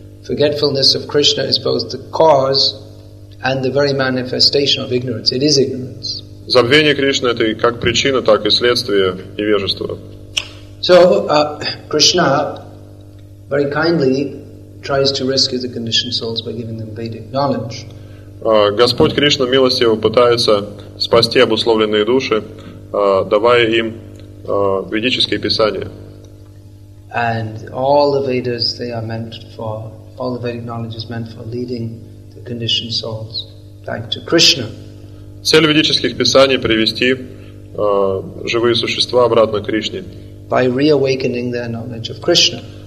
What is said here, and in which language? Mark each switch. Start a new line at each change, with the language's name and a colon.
English: Forgetfulness of Krishna is both the cause and the very manifestation of ignorance. It is ignorance.
Russian: Забвение Кришны — это как причина, так и следствие невежества.
English: So Krishna very kindly tries to rescue the conditioned souls by giving them Vedic knowledge.
Russian: Господь Кришна милостиво пытается спасти обусловленные души, давая им ведические писания.
English: And all the Vedas, they are meant for, all the Vedic knowledge is meant for leading the conditioned souls back to Krishna.
Russian: Цель ведических писаний — привести живые существа обратно к Кришне.
English: By reawakening their knowledge of Krishna.